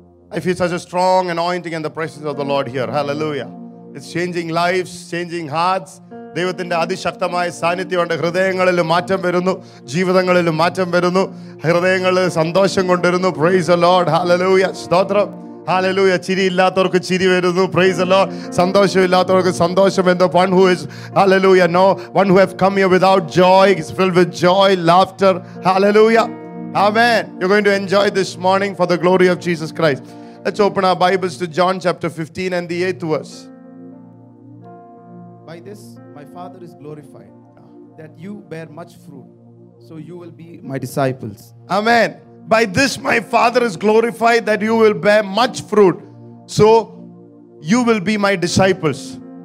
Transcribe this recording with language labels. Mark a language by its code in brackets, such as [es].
[en] I feel such a strong anointing in the presence of the Lord here. Hallelujah. It's changing lives, changing hearts. [ml] ദൈവത്തിന്റെ അതിശക്തമായ സാന്നിധ്യം കൊണ്ട് ഹൃദയങ്ങളിൽ മാറ്റം വരുന്നു, ജീവിതങ്ങളിൽ മാറ്റം വരുന്നു, ഹൃദയങ്ങളിൽ സന്തോഷം കൊണ്ടുവരുന്നു. [en] Praise the lord. Hallelujah. സ്തോത്രം. Hallelujah. [ml] ചിരിയില്ലാത്തവർക്ക് ചിരി വരുന്നു. [en] Praise the lord. [ml] സന്തോഷമില്ലാത്തവർക്ക് സന്തോഷം. [en] എന്തോ one who is hallelujah no one who have come here without joy is filled with joy laughter. Hallelujah. Amen. You are going to enjoy this morning for the glory of Jesus Christ. Let's open our Bibles to John chapter 15 and the 8th verse. By this my father is glorified that you bear much fruit so you will be my disciples. Amen. By this my father is glorified that you will bear much fruit so you will be my disciples.